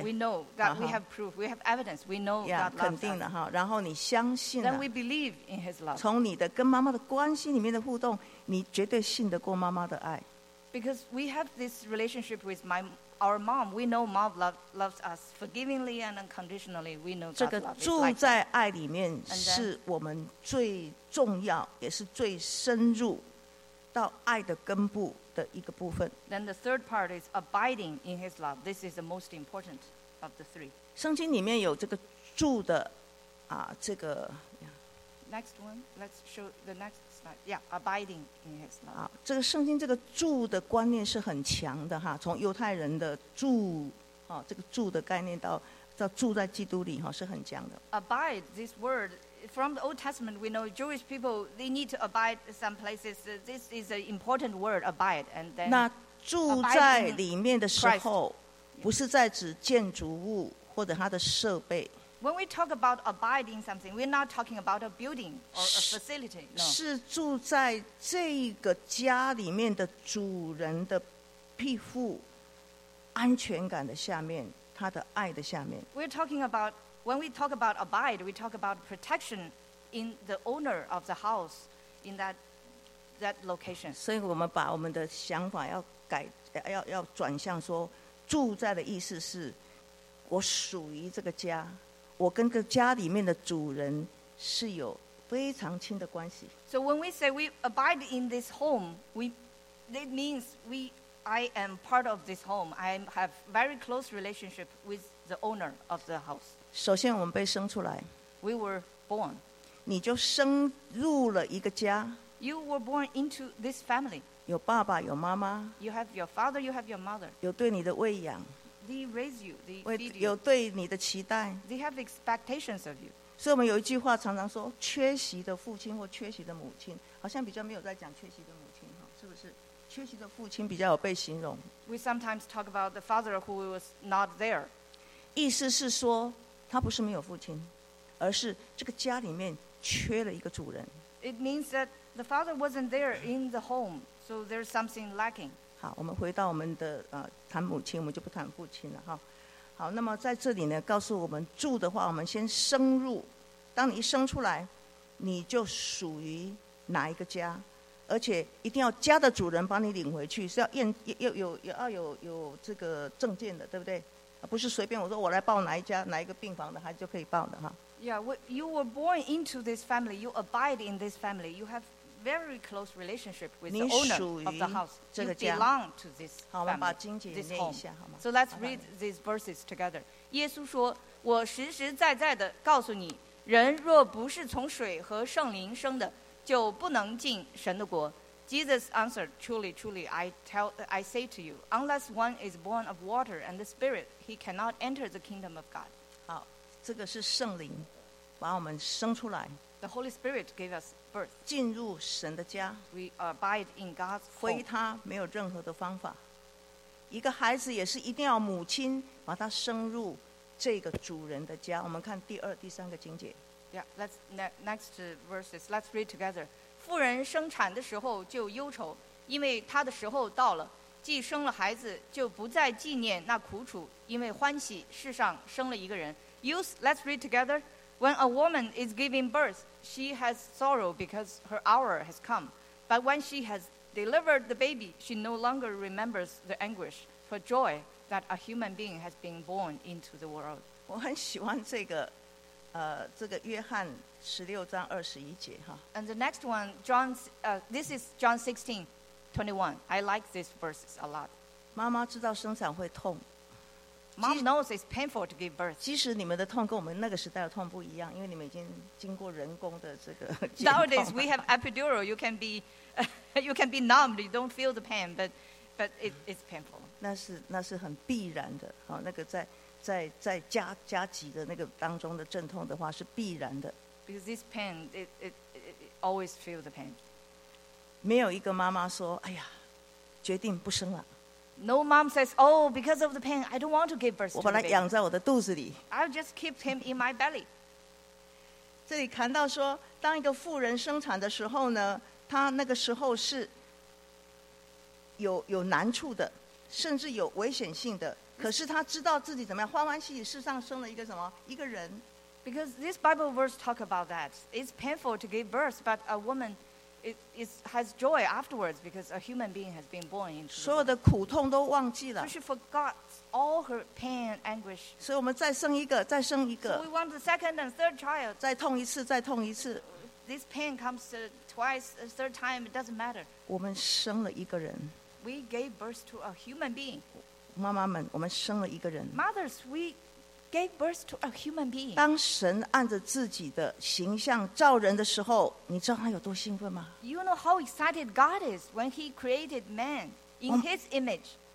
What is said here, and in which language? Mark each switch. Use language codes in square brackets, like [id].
[en] We know that we have proof, we have evidence. We know yeah, God loves us. [zh] 肯定了哈，然后你相信了。 [en] Then we believe in His love. [zh] 从你的跟妈妈的关系里面的互动，你绝对信得过妈妈的爱。 [en] Because we have this relationship with our mom, we know mom loves us forgivingly and unconditionally. We know God loves us. [zh] 这个住在爱里面是我们最重要，也是最深入到爱的根部。的一个部分。 [en] Then the third part is abiding in His love. This is the most important of the three. [zh] 圣经里面有这个住的啊，这个。 [en] Next one, let's show the next slide. Yeah, abiding in His love. [zh] 啊，这个圣经这个住的观念是很强的哈，从犹太人的住啊，这个住的概念到住在基督里哈，是很强的。 [en] Abide, this word. From the Old Testament, we know Jewish people, they need to abide some places. This is an important word, abide. And then, [zh] 那住在里面的时候，不是在指建筑物或者它的设备。 [en] When we talk about abiding something, we're not talking about a building or a facility. [zh] 是住在这个家里面的主人的庇护、安全感的下面，他的爱的下面。 [en] We're talking aboutWhen we talk about abide, we talk about protection in the owner of the house in that location. [zh] 所以我们把我们的想法要改，要转向说，住在的意思是，我属于这个家，我跟个家里面的主人是有非常亲的关系。 [en] So when we say we abide in this home, it means I am part of this home. I have very close relationship with the owner of the house. [zh] 首先我们被生出来 [en] We were born. [zh] 你就生入了一个家 [en] You were born into this family. [zh] 有爸爸有妈妈 [en] You have your father, you have your mother. [zh] 有对你的喂养 [en] They raise you, they feed you. [zh] 有对你的期待 [en] They have expectations of you. [zh] 所以我们有一句话常常说缺席的父亲或缺席的母亲好像比较没有在讲缺席的母亲是不是缺席的父亲比较有被形容 [en] We sometimes talk about the father who was not there. [zh] 意思是说他不是没有父亲，而是这个家里面缺了一个主人。 [en] It means that the father wasn't there in the home, so there's something lacking. [zh] 好，我们回到我们的谈母亲，我们就不谈父亲了哈。好，那么在这里呢，告诉我们住的话，我们先生入，当你一生出来，你就属于哪一个家，而且一定要家的主人把你领回去，是要验要有这个证件的，对不对？不是随便我说我来报哪一家哪一个病房的，他就可以报的哈。 [en] Yeah, you were born into this family. You abide in this family. You have very close relationship with the owner of the house. You belong to this family, this home. So let's read these verses together. [zh] 耶稣说，我实实在在地告诉你，人若不是从水和圣灵生的，就不能进神的国。 [en] Jesus answered, truly, truly, I say to you, unless one is born of water and the Spirit, he cannot enter the kingdom of God. [zh] 好，这个是圣灵把我们生出来。 [en] The Holy Spirit gave us birth. [zh] 进入神的家。 [en] We abide in God's home. [zh] 非他没有任何的方法。一个孩子也是一定要母亲把他生入这个主人的家。我们看第二、第三个经节。 [en] Yeah, let's next verses. Let's read together. [zh] 妇人生产的时候就忧愁，因为她的时候到了。既生了孩子，就不再纪念那苦楚，因为欢喜世上生了一个人。 [en] Let's read together. When a woman is giving birth, she has sorrow because her hour has come. But when she has delivered the baby, she no longer remembers the anguish for joy that a human being has been born into the world. [zh] 我很喜欢这个。这个约翰十六章二十一节哈。 [en] And the next one, John, this is John 16:21. I like this verse a lot. [zh] 妈妈知道生产会痛。 [en] Mom knows it's painful to give birth. [zh] 即使你们的痛跟我们那个时代的痛不一样，因为你们已经经过人工的这个。 [en] Nowadays we have epidural. You can be numb. You don't feel the pain, but it's painful. [zh] 那是很必然的，好，那个在加急的那个当中的阵痛的话是必然的。 [en] Because this pain, it always feels the pain. [zh] 没有一个妈妈说，哎呀，决定不生了。 [en] No mom says, oh, because of the pain, I don't want to give birth. [zh] 我把他养在我的肚子里。 [en] I'll just keep him in my belly. [zh] 这里谈到说，当一个妇人生产的时候呢，她那个时候是有难处的，甚至有危险性的。可是他知道自己怎么样，欢欢喜喜世上生了一个什么一个人。 [en] Because this Bible verse talk about that, it's painful to give birth, but a woman is has joy afterwards because a human being has been born into. [zh] 所有的苦痛都忘记了。 [en] So she forgot all her pain, anguish. [zh] 所以我们再生一个，再生一个。 [en] So we want the second and third child. [zh] 再痛一次，再痛一次。 [en] This pain comes twice, a third time. It doesn't matter. [zh] 我们生了一个人。 [en] We gave birth to a human being. [zh] 妈妈们，我们生了一个人。 [en] Mothers, we gave birth to a human being. [zh] 当神按着自己的形象造人的时候，你知道他有多兴奋吗 [en] ？You know how excited God is when He created man in His image.